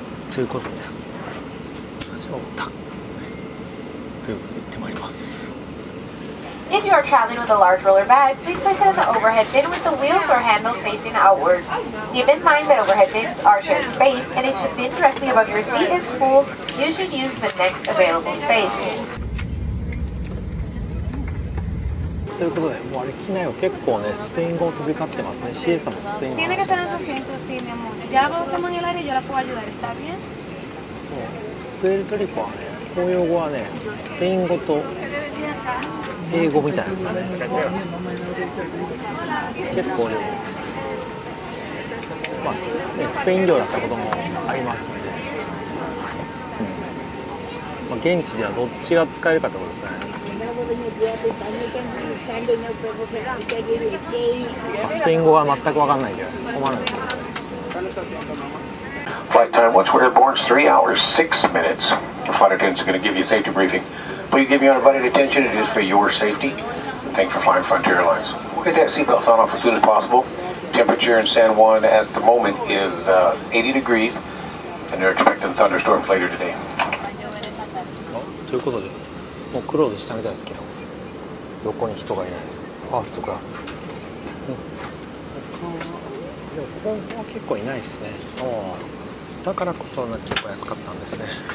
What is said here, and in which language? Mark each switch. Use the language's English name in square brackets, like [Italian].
[Japanese] ということで、じゃあ、タック。ということで、行ってまいります。 [English] If you are traveling with a large roller bag, please place it in the overhead bin with the wheels or handles facing outward. Keep in mind that overhead bins are shared space, and if your bin directly above your seat is full, you should use the next available space. [Japanese] ということで、もうあれ機内は結構ね、スペイン語を飛び交ってますね。シエさんもスペイン語。 [Spanish] Tiene que estar en su asiento, sí, mi amor. Ya va usted mañana y yo la puedo ayudar, está bien? [Japanese] プエルトリコはね、公用語はね、スペイン語と英語みたいですよね。結構ね、まあ、ね、スペイン領だったこともありますんで、うん、まあ、現地ではどっちが使えるかってことですね。まあ、スペイン語は全く分かんないけど、困るんですけど。 [English] Flight time once we're airborne is 3 hours 6 minutes. The flight attendants are going to give you a safety briefing. Please give me your undivided attention. It is for your safety. Thanks for flying Frontier Airlines. We'll get that seatbelt sign off as soon as possible. Temperature in San Juan at the moment is 80 degrees. And they're expecting thunderstorms later today. [Japanese] ということで、もうクローズしたみたいですけど、横に人がいない。ファーストクラス。でもここは結構いないですね。だからこそ結構安かったんですね。